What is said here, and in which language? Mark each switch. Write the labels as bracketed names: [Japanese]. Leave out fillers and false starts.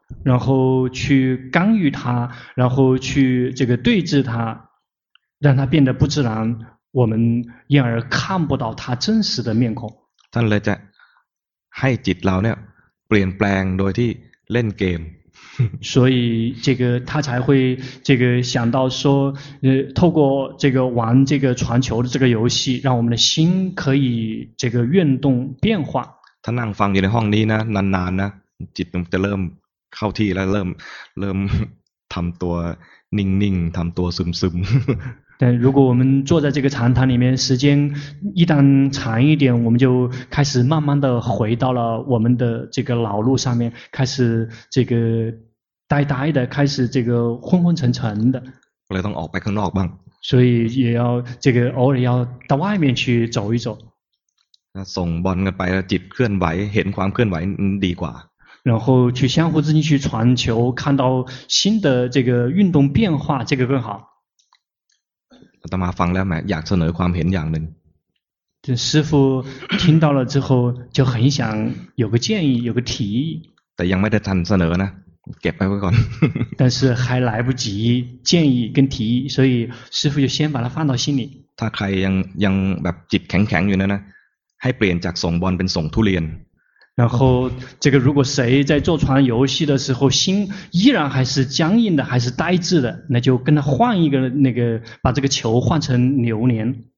[Chinese] 然后去干预它然后去这个对峙它让他变得不自然，我们因而看不到他真实的面孔。 [Thai] ท่านเลยจะให้จิตเราเนี่ยเปลี่ยนแปลงโดยที่เล่นเกม [Chinese] 所以这个他才会这个想到说透过这个玩这个传球的这个游戏让我们的心可以这个运动变化 [Thai] ถ้านั่งฟังอยู่ในห้องนี้นะนานๆนะจิตจะเริ่มเข้าที่แล้วเริ่มทำตัวนิ่งๆทำตัวซึมๆ แต่ [Chinese] 如果我们坐在这个禅堂里面时间一旦长一点我们就开始慢慢的回到了我们的这个老路上面开始这个呆呆的开始这个昏昏沉沉的 [Thai] เลยต้องออกไปข้างนอกบ้าง [Chinese] 所以也要这个偶尔要到外面去走一走 [Thai] ส่งบอลกันไปแล้วจิตเคลื่อนไหวเห็นความเคลื่อนไหวดีกว่า [Chinese] 然后去相互之间去传球看到新的这个运动变化这个更好 [Thai] อาตมาฟังแล้วแหมอยากเสนอความเห็นอย่างหนึ่ง [Chinese] 师父听到了之后就很想有个建议有个提议 [Thai] แต่ยังไม่ได้ทันเสนอนะเก็บไว้ก่อน [Chinese] 但是还来不及建议跟提议所以师父就先把它放到心里 [Thai] ถ้าใครยังแบบจิตแข็งๆอยู่นะให้เปลี่ยนจากส่งบอลเป็นส่งทุเรียน [Chinese] 然后这个如果谁在坐船游戏的时候心依然还是僵硬的还是呆滞的那就跟他换一个那个把这个球换成榴莲